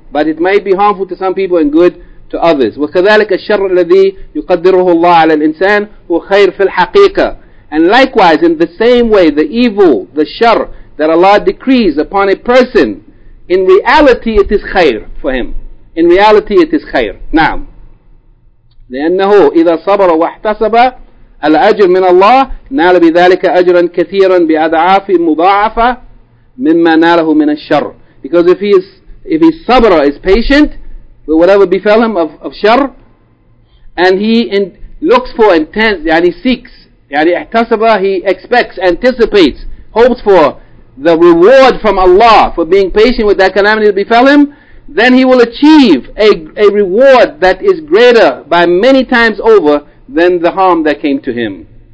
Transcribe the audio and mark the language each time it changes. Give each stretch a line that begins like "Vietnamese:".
English: But it might be harmful to some people and good to others.
Arabic: وَكَذَلِكَ الشَّرُّ الَّذِي يُقَدِّرُهُ اللَّهُ عَلَى الْإِنسَانِ هُوَ خَيْرٌ فِي الْحَقِيقَةِ.
English: And likewise, in the same way, the evil, the shar, that Allah decrees upon a person, in reality it is khair for him. In reality it is khair. Naam.
Arabic: لأنه إذا صبر واحتسب الأجر من الله نال بذلك أجرا كثيرا بأضعاف مضاعفة مما ناله من الشر.
English: Because if his sabr is patient with whatever befell him of shar, and he expects, anticipates, hopes for the reward from Allah for being patient with that calamity that befell him, then he will achieve a reward that is greater by many times over than the harm that came to him.